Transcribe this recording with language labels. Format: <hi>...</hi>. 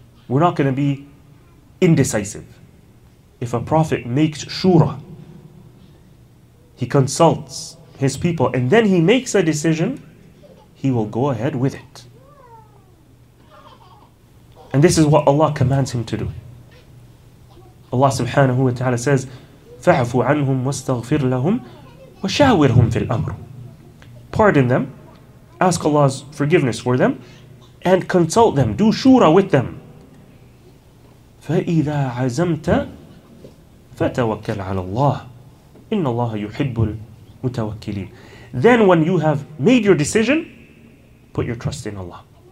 <en>We're not going to be indecisive. If a prophet makes shura, he consults his people, and then he makes a decision, he will go ahead with it. And this is what Allah commands him to do. Allah subhanahu wa ta'ala says,</en> <ar>فَعَفُوا عَنْهُمْ وَاسْتَغْفِرْ لَهُمْ وَشَاوِرْهُمْ فِي الْأَمْرُ.</ar> <en>Pardon them, ask Allah's forgiveness for them, and consult them, do shura with them.</en> <ar>فَإِذَا عَزَمْتَ فَتَوَكَّلْ عَلَى اللَّهِ إِنَّ اللَّهَ يُحِبُّ الْمُتَوَكِّلِينَ.</ar> <en>Then when you have made your decision, put your trust in Allah.</en>